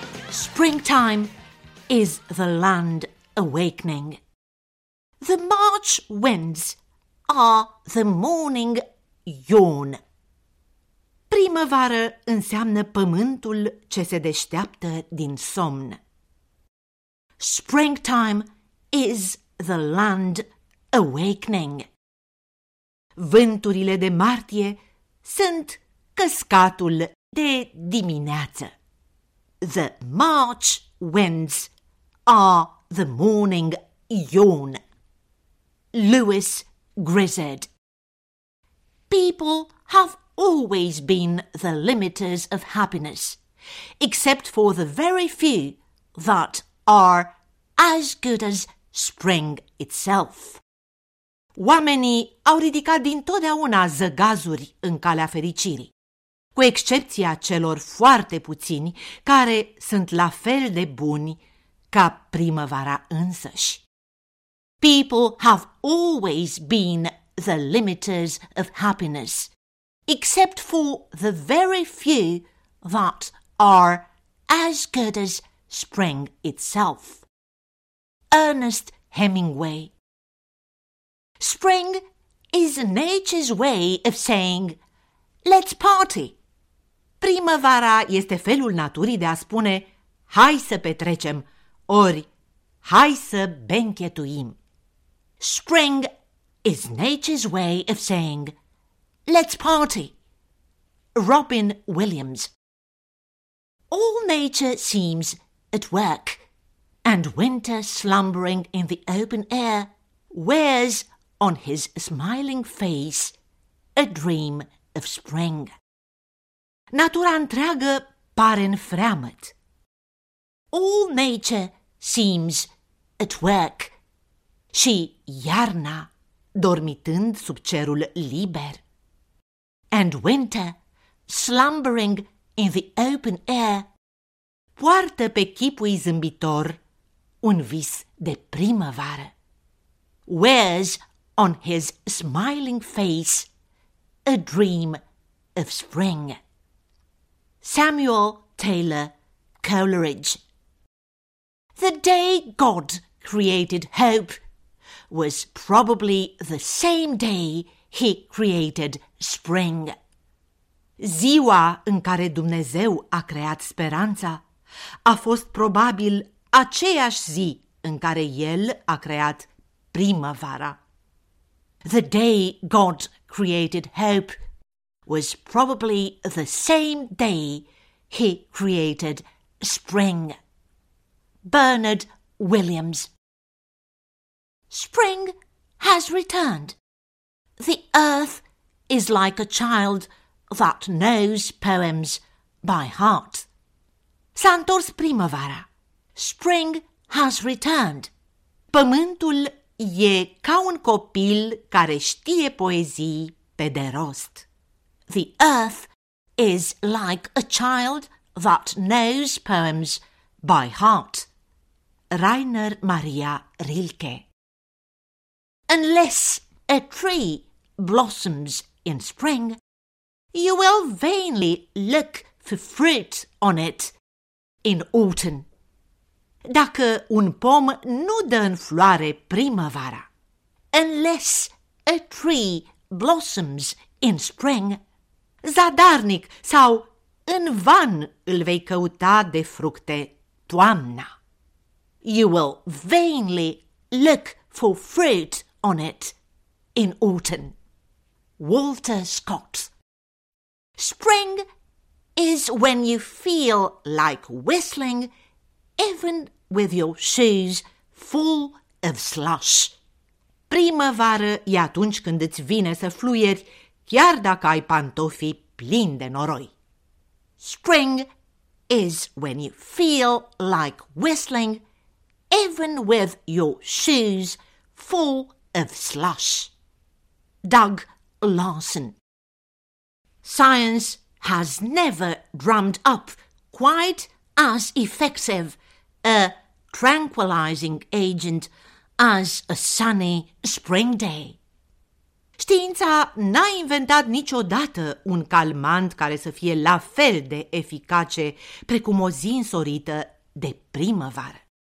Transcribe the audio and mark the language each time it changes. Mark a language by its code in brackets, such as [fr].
[en] Springtime is the land awakening. The March winds are the morning yawn. [ro] Primăvară înseamnă pământul ce se deșteaptă din somn. [en] Springtime is the land awakening. [ro] Vânturile de martie sunt căscatul de dimineață. [en] The March winds are the morning yawn. Lewis Grizzard. People have always been the limiters of happiness, except for the very few that are as good as spring itself. [ro] Oamenii au ridicat dintotdeauna zăgazuri în calea fericirii, cu excepția celor foarte puțini care sunt la fel de buni ca primăvara însăși. [en] People have always been the limiters of happiness, except for the very few that are as good as spring itself. Ernest Hemingway. Spring is nature's way of saying, let's party. [ro] Primăvara este felul naturii de a spune hai să petrecem, ori hai să benchetuim. [en] Spring is nature's way of saying, let's party. Robin Williams. All nature seems at work, and winter slumbering in the open air wears on his smiling face a dream of spring. [ro] Natura întreagă pare înfreamăt. [en] All nature seems at work. [ro] Și iarna, dormitând sub cerul liber. [en] And winter, slumbering in the open air, [ro] poartă pe chipul zâmbitor un vis de primăvară. [en] Wears on his smiling face a dream of Spring. Samuel Taylor Coleridge. The day God created hope was probably the same day he created spring. [ro] Ziua în care Dumnezeu a creat speranța a fost probabil aceeași zi în care El a creat primăvara. [en] The day God created hope was probably the same day he created spring. Bernard Williams. Spring has returned. The earth is like a child that knows poems by heart. [ro] S-a întors primăvara. [en] Spring has returned. [ro] Pământul e ca un copil care știe poezii pe de rost. [en] The earth is like a child that knows poems by heart. Rainer Maria Rilke. Unless a tree blossoms in spring, you will vainly look for fruit on it in autumn. [ro] Dacă un pom nu dă în floare primăvara, [en] unless a tree blossoms in spring, [ro] zadarnic sau în van îl vei căuta de fructe toamna. [en] You will vainly look for fruit on it in autumn. Walter Scott. Spring is when you feel like whistling even with your shoes full of slush. [ro] Primăvară e atunci când îți vine să fluieri chiar dacă ai pantofii plini de noroi. [en] Spring is when you feel like whistling even with your shoes full of slush. Doug Larson. Science has never drummed up quite as effective a tranquilizing agent as a sunny spring day. [ro] Știința n-a inventat niciodată un calmant care să fie la fel de eficace precum o zi însorită de primăvară.